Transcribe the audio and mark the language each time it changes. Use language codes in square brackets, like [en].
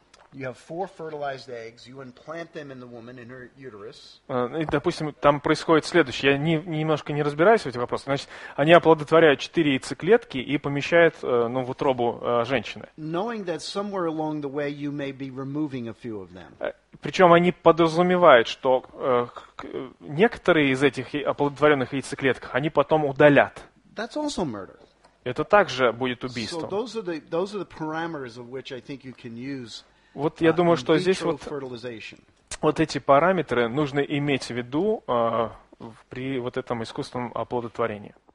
[en] You have four fertilized eggs. You implant them in the woman in her uterus. [ru] И, допустим, там происходит следующее. Я немножко не разбираюсь в этих вопросах. Значит, они оплодотворяют четыре яйцеклетки и помещают, ну, в утробу женщины. [en] Knowing that somewhere along the way you may be removing a few of them. [ru] Причем они подразумевают, что некоторые из этих оплодотворенных яйцеклеток они потом удалят. [en] That's also murder. [ru] Это также будет убийством. [en] So those are the parameters of which I think you can use. [ru] Вот я думаю, что здесь вот эти параметры нужно иметь в виду при вот этом искусственном оплодотворении.